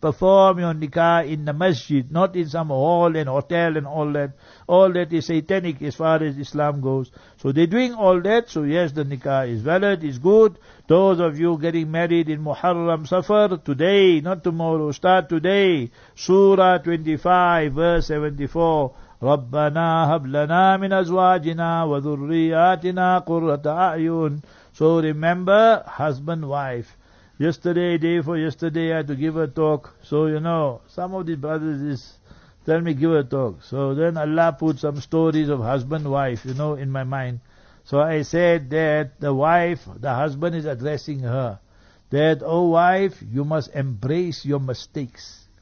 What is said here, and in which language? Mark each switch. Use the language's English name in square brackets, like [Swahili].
[English] Perform your nikah in the masjid, not in some hall and hotel and all that. All that is satanic as far as Islam goes. So they're doing all that. So yes, the nikah is valid, is good. Those of you getting married in Muharram Safar, today, not tomorrow, start today. Surah 25, verse 74. [Arabic] رَبَّنَا هَبْ لَنَا مِنْ أَزْوَاجِنَا وَذُرِّيَاتِنَا قُرَّةَ أَعْيُونَ [English] So remember, husband, wife. Yesterday, day for yesterday, I had to give a talk. So, you know, some of these brothers is, tell me, give a talk. So then Allah put some stories of husband, wife, you know, in my mind. So I said that the wife, the husband is addressing her. That, oh wife, you must embrace your mistakes.